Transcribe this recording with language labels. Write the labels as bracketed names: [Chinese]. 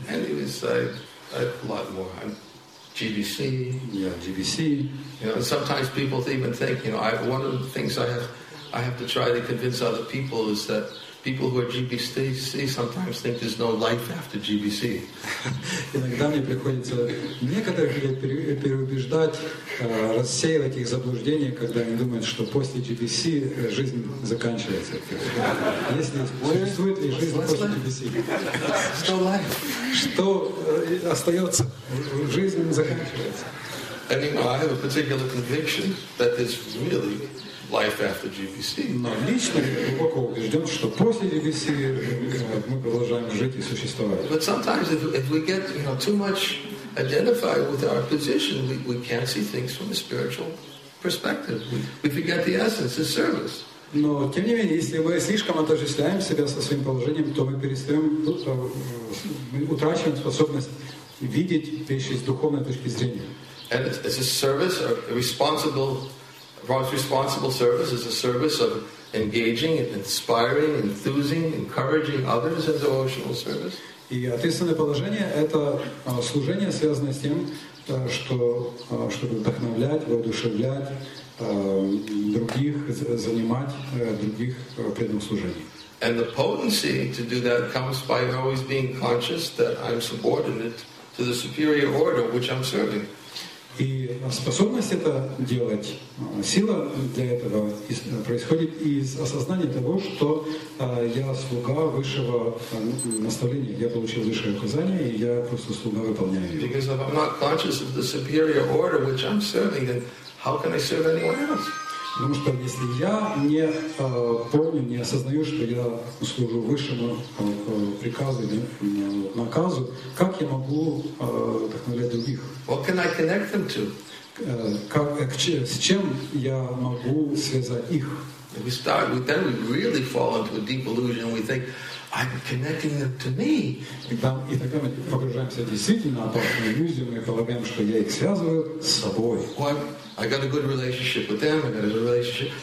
[English] Anyways, I a lot more. I'm GBC. Yeah, GBC. You know, and sometimes people even think, you know, I have one of the things I have to try to convince other people is that people who are GBC sometimes think there's no life after GBC. [Russian] Иногда мне приходится некоторых людей переубеждать, рассеивать их заблуждения, когда они думают, что после GBC жизнь заканчивается. Если существует ли жизнь после GBC? Что life? Что остается? Жизнь заканчивается. [English] Anyway, I have a particular conviction that there's really life after GBC. [Russian] Но лично глубоко убежден, что после GBC мы продолжаем жить и существовать. [English] But sometimes if we get, you know, too much identified with our position, we can't see things from a spiritual perspective. We forget the essence of service. [Russian] Но тем не менее, если мы слишком отождествляем себя со своим положением, то мы перестаем, мы утрачиваем способность видеть вещи с духовной точки зрения. [English] And it's a service, a responsible. Responsible service is a service of engaging, inspiring, enthusing, encouraging others as devotional service. [Russian] И ответственное положение — это служение, связанное с тем, чтобы вдохновлять, воодушевлять других, занимать других преданным служением. [English] And the potency to do that comes by always being conscious that I'm subordinate to the superior order which I'm serving. [Russian] И способность это делать, сила для этого происходит из осознания того, что я слуга высшего наставления, я получил высшее указание, и я просто слуга выполняю его. [English] Because if I'm not conscious of the superior order which I'm serving, then how can I serve anyone else? [Russian] Потому что если я не помню, не осознаю, что я служу высшему приказу, наказу, как я могу вдохновлять других? [English] What can I connect them to? [Russian] С чем я могу связать их? [English] We start, then we really fall into a deep illusion. We think, I'm connecting them to me. Well, I got a good relationship with them, I got a good relationship.